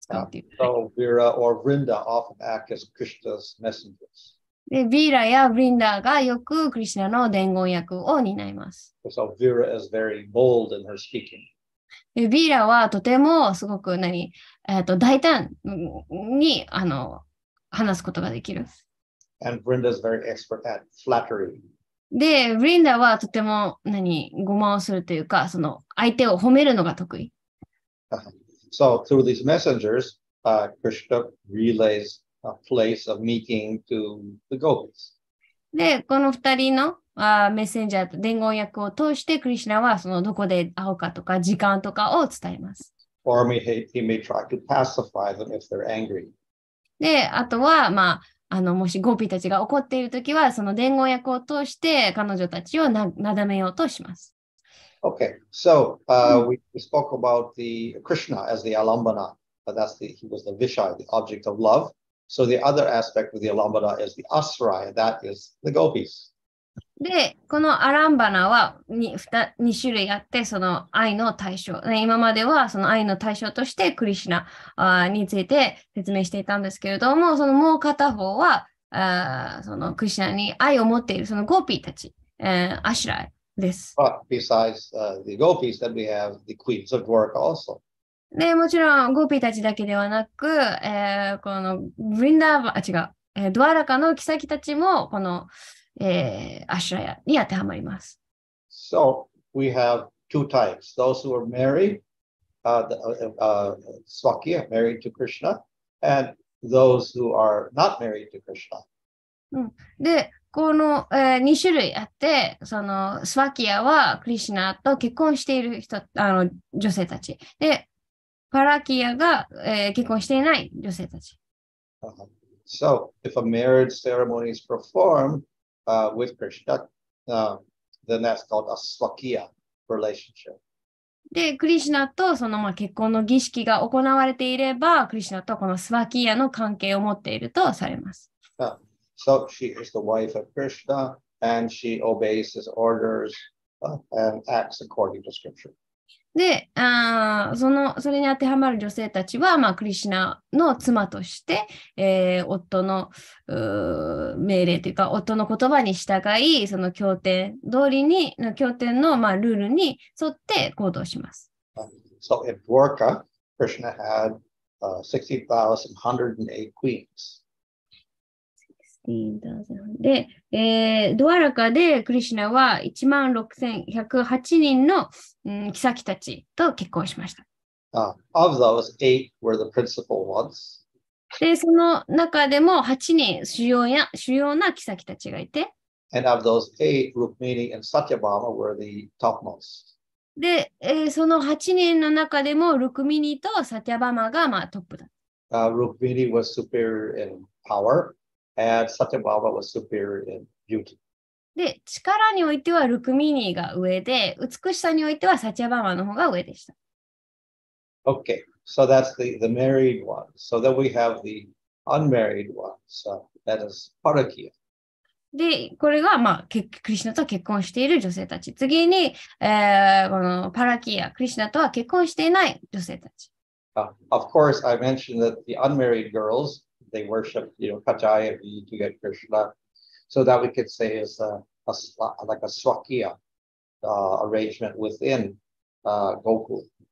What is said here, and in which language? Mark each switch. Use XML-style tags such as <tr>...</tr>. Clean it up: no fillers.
<en>So Veera or Vrinda often act as Krishna's messengers.</en> <ja>で、Veera や Vrinda がよくクリシナの伝言役を担います。</ja> <en>So Veera is very bold in her speaking.</en> <ja>で、Veera はとてもすごく大胆に話すことができる。</ja> <en>And Vrinda is very expert at flattery.</en> <ja>で、Vrinda はとても誤魔をするというか、その相手を褒めるのが得意。</ja> <en>So through these messengers, Krishna relays a place of meeting to the gopis.</en> <ja>で、この二人のメッセンジャーと伝言役を通して、クリシナはそのどこで会うかとか時間とかを伝えます。</ja> <en>Or he may try to pacify them if they're angry.</en> <ja>で、あとは、まあ、もしゴピたちが怒っているときは、その伝言役を通して彼女たちをなだめようとします。</ja> <en>Okay, so we spoke about the Krishna as the Alambana, but that's the, he was the Vishaya, the object of love. So the other aspect of the Alambana is the Asraya, that is the gopis.</en> <ja>で、このアランバナは 2種類あって、その愛の対象。今まではその愛の対象としてクリシナについて説明していたんですけれども、そのもう片方はそのクリシナに愛を持っているそのゴーピーたち、アシュラです。</ja> <en>But besides the gopis, then we have the queens of Dwarka also.</en> <ja>で、もちろんゴーピーたちだけではなく、このブリンダーバ、違う、ドワラカのキサキたちも、このアシュラヤに当てはまります。</ja> <en>So we have two types: those who are married, Svakya, married to Krishna, and those who are not married to Krishna.、</en> <ja>で、この、2種類あって、そのスワキヤはクリシナと結婚している人、女性たち。で、パラキヤが、結婚していない女性たち。</ja> <en>So if a marriage ceremony is performed,with Krishna, then that's called a Svakya relationship.</en> <ja>で、クリシナとその、まあ、結婚の儀式が行われていれば、クリシナとこのスワキヤの関係を持っているとされます。</ja> <en>So she is the wife of Krishna, and she obeys his orders, and acts according to scripture.</en> <ja>で、それに当てはまる女性たちは、まあ、クリシナの妻として、夫の命令というか、夫の言葉に従い、その協定通りに、協定の、まあ、ルールに沿って行動します。</ja> <en>So in Dwarka, Krishna had 60,108 queens.</en> <ja>で、ドワラカでクリシナは 16,108 人の、キサキたちと結婚しました。</ja> <en>Of those, eight were the principal ones.</en> <ja>で、その中でも8人主要なキサキたちがいて。</ja> <en>And of those eight, Rukmini and Satyabhama were the topmost.</en> <ja>で、その8人の中でもルクミニとサティアバマが、まあ、トップだ。</ja> <en>Rukmini was superior in power. And Satyabhava was superior in beauty.</en> <ja>で、力においてはルクミニーが上で、美しさにおいてはサチャバマの方が上でした。</ja> <en>Okay, so that's the married ones. So then we have the unmarried ones. So that is Parakya.</en> <ja>で、これが、まあ、クリシナと結婚している女性たち。次に、このパラキア、クリシナとは結婚していない女性たち。</ja> <en>Of course, I mentioned that the unmarried girls,They worship, you know, Kajayavi to get Krishna. So that we could say is like a Svakya arrangement within Gokul.</en>